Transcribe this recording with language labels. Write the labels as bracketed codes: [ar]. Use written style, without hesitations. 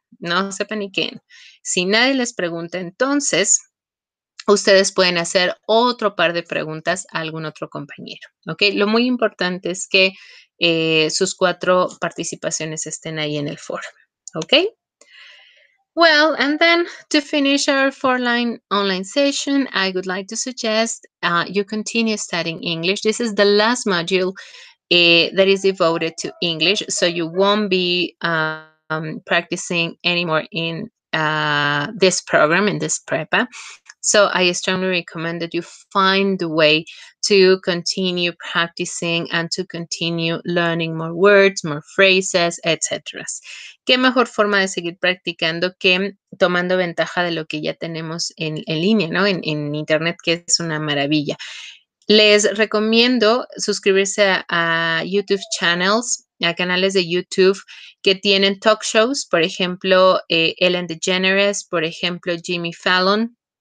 [es] No se paniquen. Si nadie les pregunta, entonces ustedes pueden hacer otro par de preguntas a algún otro compañero, ¿ok? Lo muy importante es que sus 4 participaciones estén ahí en el foro, ¿ok? [en] Well, and then to finish our 4-line online session, I would like to suggest you continue studying English. This is the last module that is devoted to English, so you won't be practicing anymore in this program, in this prepa. So I strongly recommend that you find a way to continue practicing and to continue learning more words, more phrases, etc. [es] ¿Qué mejor forma de seguir practicando que tomando ventaja de lo que ya tenemos en línea, ¿no? En internet, que es una maravilla. Les recomiendo suscribirse a YouTube channels, a canales de YouTube que tienen talk shows, por ejemplo, Ellen DeGeneres, por ejemplo, Jimmy Fallon.